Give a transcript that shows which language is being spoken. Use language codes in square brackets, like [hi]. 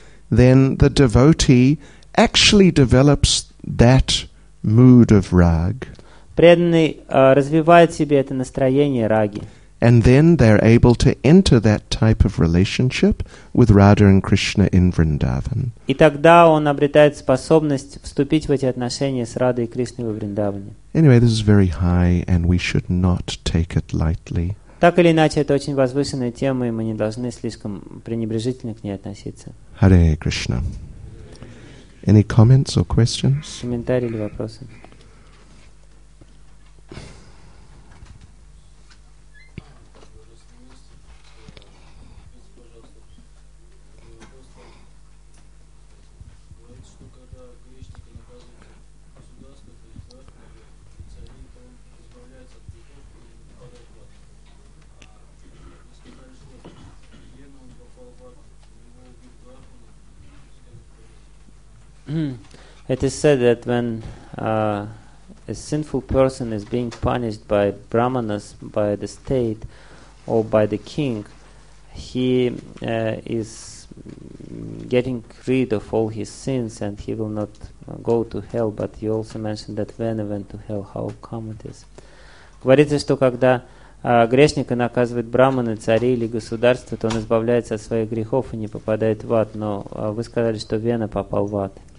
[en] then the devotee actually develops that mood of rag. [ru] Преданный развивает в себе это настроение раги. [en] And then they're able to enter that type of relationship with Radha and Krishna in Vrindavan. [ru] И тогда он обретает способность вступить в эти отношения с Радой и Кришной во Вриндаване. [en] Anyway, this is very high, and we should not take it lightly. [ru] Так или иначе, это очень возвышенная тема, и мы не должны слишком пренебрежительно к ней относиться. [sa] Hare Krishna. [en] Any comments or questions? [ru] Комментарии или вопросы? [en] It is said that when a sinful person is being punished by brahmanas, by the state, or by the king, he is getting rid of all his sins and he will not go to hell. But you also mentioned that Vena went to hell. How come it is? [ru] Говорится, что когда грешника наказывает брахманы, цари или государство, то он избавляется от своих грехов и не попадает в ад. Но вы сказали, что Вена попал в ад.